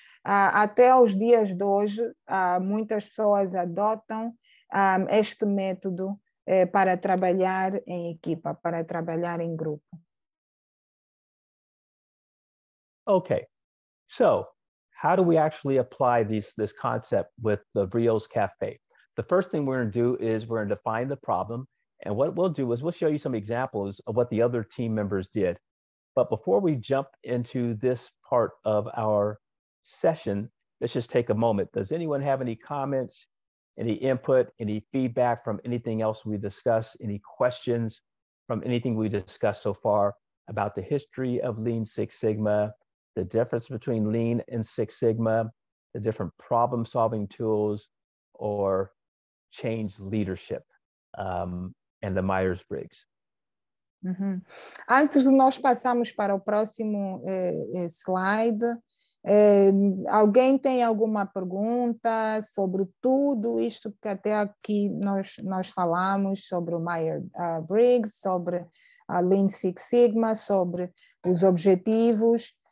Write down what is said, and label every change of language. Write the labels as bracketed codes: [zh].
[pt] Até os dias de hoje, muitas pessoas adotam este método para trabalhar em equipa, para trabalhar em grupo. [en] Okay, so how do we actually apply this concept with the Rio's Cafe? The first thing we're going to do is we're going to define the problem. And what we'll do is we'll show you some examples of what the other team members did. But before we jump into this part of our session, let's just take a moment. Does anyone have any comments, any input, any feedback from anything else we discussed, any questions from anything we discussed so far about the history of Lean Six Sigma, the difference between Lean and Six Sigma, the different problem-solving tools, or change leadership and the Myers-Briggs? Uhum. [pt] Antes de nós passarmos para o próximo slide, alguém tem alguma pergunta sobre tudo isto que até aqui nós falamos sobre o Myers-Briggs, sobre a Lean Six Sigma, sobre os objetivos?